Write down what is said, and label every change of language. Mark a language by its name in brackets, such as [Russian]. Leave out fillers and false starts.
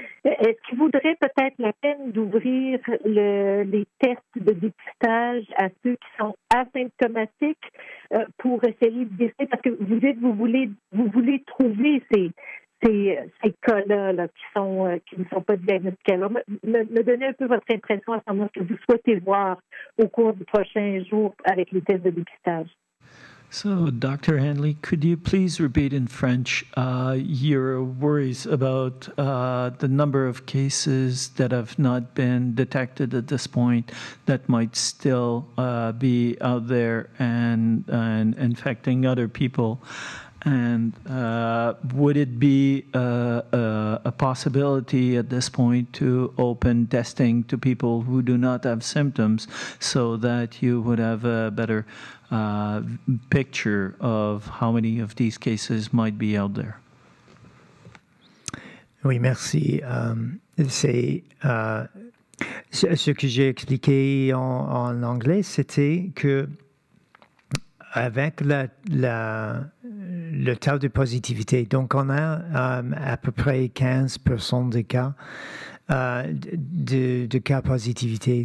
[French] Est-ce qu'il vaudrait peut-être la peine d'ouvrir les tests de dépistage à ceux qui sont asymptomatiques pour essayer de dire, parce que vous dites que vous voulez trouver ces cas-là là, qui ne sont pas diagnostiqués. Alors, me donnez un peu votre impression à ce moment-là que vous souhaitez voir au cours du prochain jour avec les tests de dépistage. [English] So, Dr. Hanley, could you please repeat in French your worries about the number of cases that have not been detected at this point that might still be out there and infecting other people? And would it be a possibility at this point to open testing to people who do not have symptoms so that you would have a better picture of how many of these cases might be out there? [French] Oui, merci. Ce que j'ai expliqué en anglais, c'était que avec le taux de positivité. Donc, on a à peu près 15% de cas de cas positivité.